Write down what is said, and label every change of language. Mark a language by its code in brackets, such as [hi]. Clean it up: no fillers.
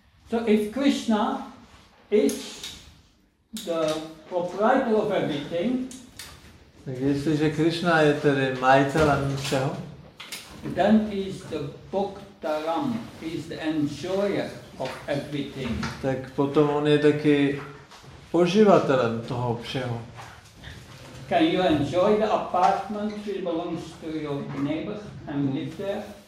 [en] So if Krishna is the proprietor of everything, [cs] tak jestliže Krishna je tedy majitelem všeho, [en] then he is the Bhaktaram, he is the enjoyer of everything. [cs] Tak potom on je taky poživatelem toho všeho. [en] Can you enjoy the apartment which belongs to your neighbors and live there?